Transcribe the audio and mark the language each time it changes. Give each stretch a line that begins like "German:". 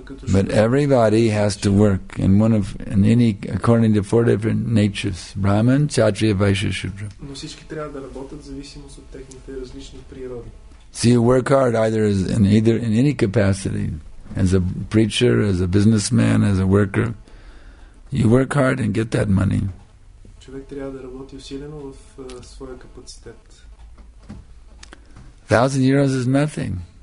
English: But everybody has to work in one of in any according to four different natures: Brahmin, Kshatriya, Vaishya, Shudra.
Bulgarian: Но всички трябва да работят в зависимост от техните различни природи.
English: So you work hard either in any capacity, as a preacher, as a businessman, as a worker. You work hard and get that money. €1,000 is nothing.